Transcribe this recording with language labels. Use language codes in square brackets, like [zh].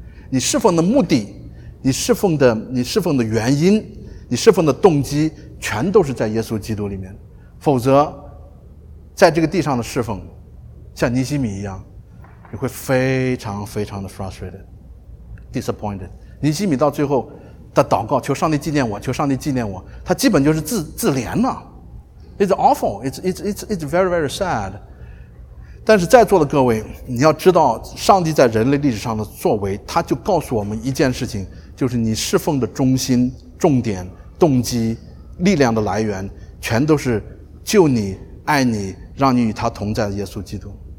[zh] 你侍奉的目的，你侍奉的原因，你侍奉的动机全都是在耶稣基督里面，否则在这个地上的侍奉像尼西米一样，你会非常非常的 [en] frustrated disappointed。 [zh] 尼西米到最后的祷告，求上帝纪念我，求上帝纪念我，他基本就是自怜了。 [en] It's awful, it's very very sad。 [zh] 但是在座的各位，你要知道上帝在人类历史上的作为，他就告诉我们一件事情，就是你侍奉的中心、重点、动机、力量的来源，全都是救你、爱你、让你与他同在的耶稣基督。